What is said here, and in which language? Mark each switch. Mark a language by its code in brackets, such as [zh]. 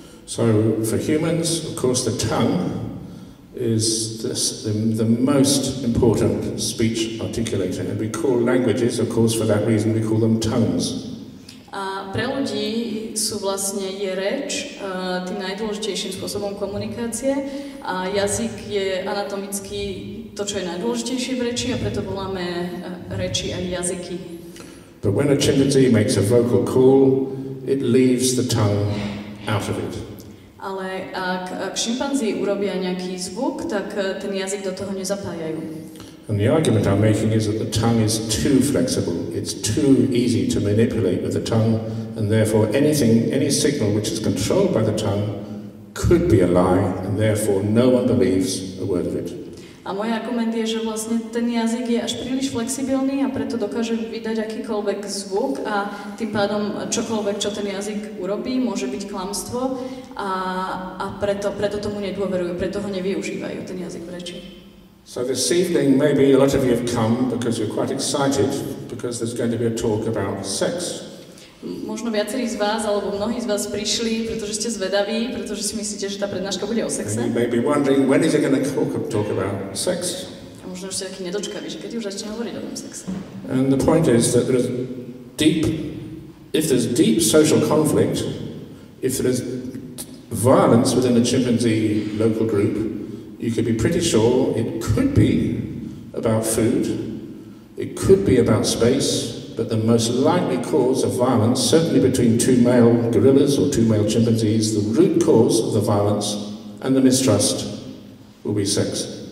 [en] So for humans, of course, the tongue is the most important speech articulator. And we call languages, of course, for that reason, we call them tongues. [sk] A pre ľudí sú vlastne je reč tým najdôležitejším spôsobom komunikácie a jazyk je anatomicky to, čo je najdôležitejšie v reči a preto voláme reči aj jazyky. [en] But when a chimpanzee makes a vocal call, it leaves the tongue out of it. [sk] Ale ak šimpanzí urobia nejaký zvuk, tak ten jazyk do toho nezapájajú. [en] And the argument I'm making is that the tongue is too flexible. It's too easy to manipulate with the tongue, and therefore any signal which is controlled by the tongue could be a lie, and therefore no one believes a word of it. [sk] A môj argument je, že vlastne ten jazyk je až príliš flexibilný a preto dokáže vydať akýkoľvek zvuk a tým pádom čokoľvek, čo ten jazyk urobí, môže byť klamstvo a preto tomu nedôverujú, preto ho nevyužívajú, ten jazyk v reči. [en] So this evening, maybe a lot of you have come because you're quite excited because there's going to be a talk about sex. [sk] Možno viacerí z vás, alebo mnohí z vás prišli, pretože ste zvedaví, pretože si myslíte, že tá prednáška bude o sexe. [en] And you may be wondering, when is it going to talk about sex? [sk] A možno ešte taký nedočkavý, že keď už začne hovoriť o tom sexe. [en] And the point is that there is deep, if there's deep social conflict, if there is violence within a chimpanzee local group, you could be pretty sure it could be about food, it could be about space, but the most likely cause of violence, certainly between two male gorillas or two male chimpanzees, the root cause of the violence and the mistrust will be sex.